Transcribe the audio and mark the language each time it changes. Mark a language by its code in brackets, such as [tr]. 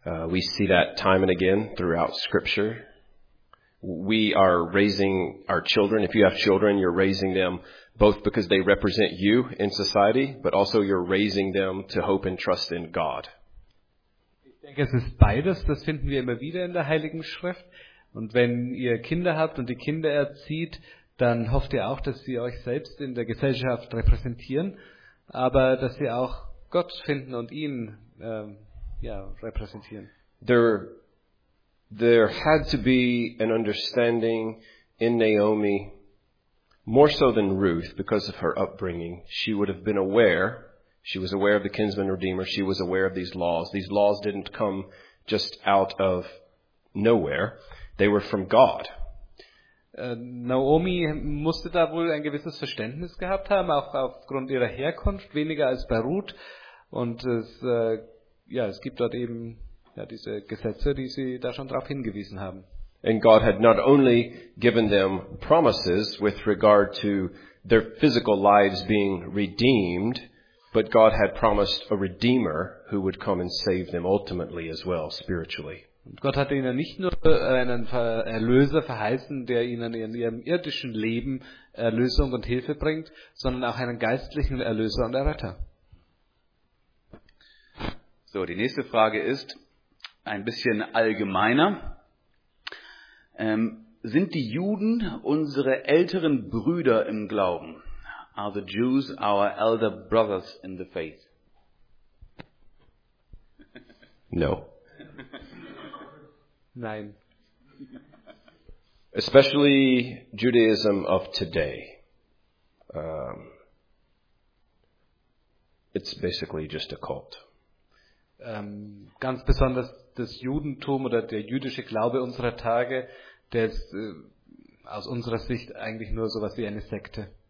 [en] We see that time and again throughout Scripture. We are raising our children. If you have children, you're raising them both because they represent you in society, but also you're raising them to hope and trust in God. [de] Ich denke, es ist beides. Das finden wir immer wieder in der Heiligen Schrift. Und wenn ihr Kinder habt und die Kinder erzieht, dann hofft ihr auch, dass sie euch selbst in der Gesellschaft repräsentieren, aber dass sie auch Gott finden und ihn repräsentieren. [en] There had to be an understanding in Naomi, more so than Ruth, because of her upbringing. She would have been aware. She was aware of the kinsman redeemer. She was aware of these laws. These laws didn't come just out of nowhere. They were from God. [de] Naomi musste da wohl ein gewisses Verständnis gehabt haben, auch aufgrund ihrer Herkunft, weniger als bei Ruth. Und es gibt dort eben diese Gesetze, die sie da schon darauf hingewiesen haben. [en] And God had not only given them promises with regard to their physical lives being redeemed, but God had promised a redeemer who would come and save them ultimately as well, spiritually. [de] Gott hatte ihnen nicht nur einen Erlöser verheißen, der ihnen in ihrem irdischen Leben Erlösung und Hilfe bringt, sondern auch einen geistlichen Erlöser und Erretter. So, die nächste Frage ist ein bisschen allgemeiner. Sind die Juden unsere älteren Brüder im Glauben? [en] Are the Jews our elder brothers in the faith? No. [de] Nein. [en] Especially Judaism of today. It's basically just a cult. [de] Ganz besonders das Judentum oder der jüdische Glaube unserer Tage, der ist aus unserer Sicht eigentlich nur sowas wie eine Sekte.